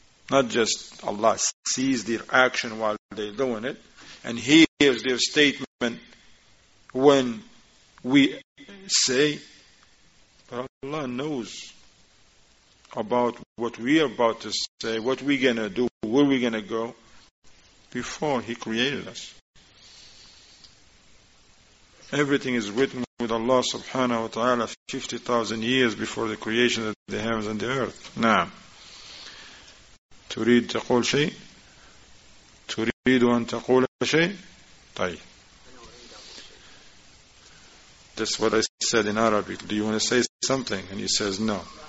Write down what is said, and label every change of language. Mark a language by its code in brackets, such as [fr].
[en] Not just Allah sees their action while they're doing it, and He hears their statement when we say, but Allah knows about what we are about to say, what we're going to do, where we're going to go, before He created us. Everything is written with Allah subhanahu wa ta'ala 50,000 years before the creation of the heavens and the earth. [ar] Now, تريد تقول شيء؟ تريد أن تقول شيء؟ طيب. [en] That's what I said in Arabic. Do you want to say something? And he says no.